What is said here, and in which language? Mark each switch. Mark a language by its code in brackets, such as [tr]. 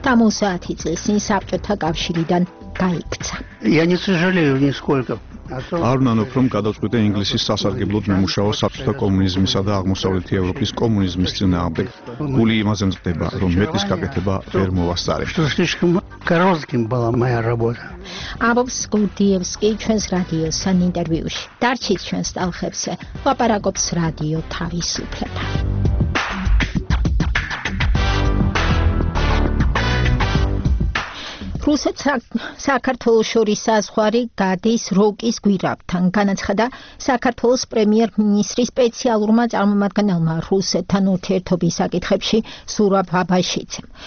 [ka] მოსათი წელს ის საბჭოთა კავშირიდან გაიქცა. [ru] Я не сожалею нисколько. [ka] არნანოფ რომ გადაწყვიტა ინგლისის სასარგებლოდ მიმუშაოს საბჭოთა კომუნიზმისა და აღმოსავლეთი ევროპის კომუნიზმის ძინააღმდეგ. გული იმაზე მზადდება, რომ მეტის გაკეთება ვერ მოასწარებს. [ru] Слишком коротким была моя работа. [ka] Абовс Гудиевски ჩვენს რადიოსთან ინტერვიუში. დარჩით ჩვენს ტალხებზე. ლაპარაკობს რადიო თავისუფლება. რუსეთს საქართველოს შორის საზღვარი გადის როკის გვირაბთან, განაცხადა საქართველოს პრემიერ-მინისტრის სპეციალურმა წარმომადგენელმა რუსეთთან ურთიერთობის საკითხებში სურაბ აბაშიძემ.